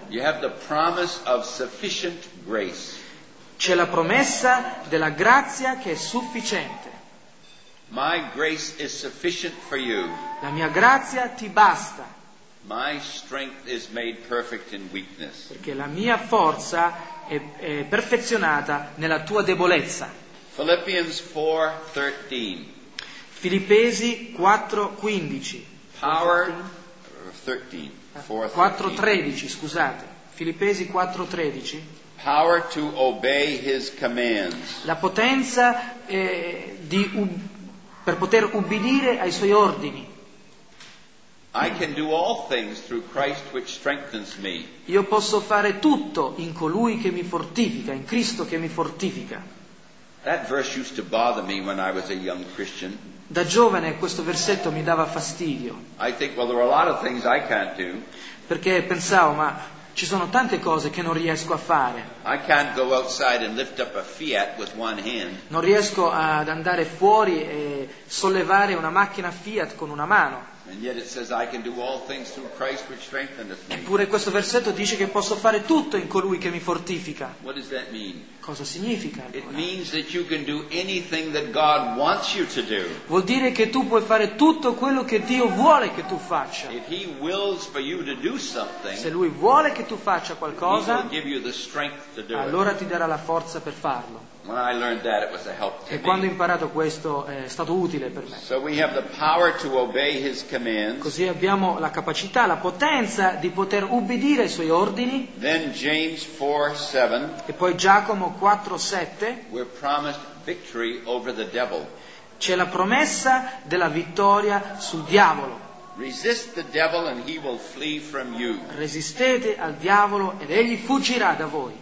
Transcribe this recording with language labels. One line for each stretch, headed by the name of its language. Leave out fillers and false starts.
English: You have the promise of sufficient grace.
Italian: C'è la promessa della grazia che è sufficiente.
English: My grace is sufficient for you.
Italian: La mia grazia ti basta.
English: My strength is made perfect in weakness.
Italian: Perché la mia forza è perfezionata nella tua debolezza.
English: Philippians 4:13.
Italian: Filippesi 4:15.
English: Power 13.
Italian: 4:13, scusate. Filippesi 4:13.
English: Power to obey his commands.
Italian: La potenza per poter ubbidire ai suoi ordini.
English: I can do all things through Christ which strengthens me.
Italian: Io posso fare tutto in colui che mi fortifica, in Cristo che mi fortifica.
English: That verse used to bother me when I was a young Christian.
Italian: Da giovane questo versetto mi dava fastidio.
English: I think, well, there are a lot of things I can't do.
Italian: Perché pensavo, ma ci sono tante cose che non riesco a fare.
English: I can't go outside and lift up a Fiat with one hand.
Italian: Non riesco ad andare fuori e sollevare una macchina Fiat con una mano.
English: And yet it says I can do all things through Christ which strengtheneth me.
Italian: Eppure questo versetto dice che posso fare tutto in colui che mi fortifica.
English: What does that mean?
Italian: Cosa significa? Allora?
English: It means that you can do anything that God wants you to do.
Italian: Vuol dire che tu puoi fare tutto quello che Dio vuole che tu faccia.
English: If he wills for you to do something.
Italian: Se lui vuole che tu faccia qualcosa,
English: he will give you the strength to do it.
Italian: Allora ti darà la forza per farlo.
English: When I learned that, it was a help to
Italian: me. E quando ho imparato questo è stato utile per me.
English: So we have the power to obey his commands.
Italian: Così abbiamo la capacità, la potenza di poter ubbidire ai suoi ordini.
English: Then James 4:7.
Italian: E poi Giacomo 4:7.
English: We're promised victory over the devil.
Italian: C'è la promessa della vittoria sul diavolo.
English: Resist the devil and he will flee from you.
Italian: Resistete al diavolo ed egli fuggirà da voi.